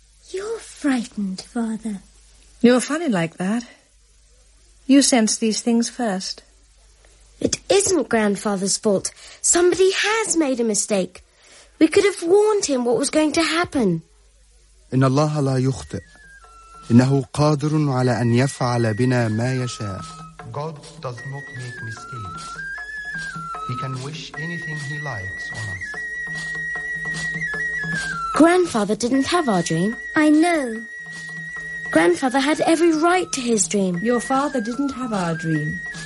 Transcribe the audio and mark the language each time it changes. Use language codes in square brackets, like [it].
[en] You're frightened, Father. You're funny like that. You sense these things first. It isn't Grandfather's fault. Somebody has made a mistake. We could have warned him what was going to happen. [ar] إن الله لا يخطئ. إنه قادر على أن يفعل بنا ما يشاء. [en] God does not make mistakes. He can wish anything he likes on us. Grandfather didn't have our dream. I know. Grandfather had every right to his dream. Your father didn't have our dream.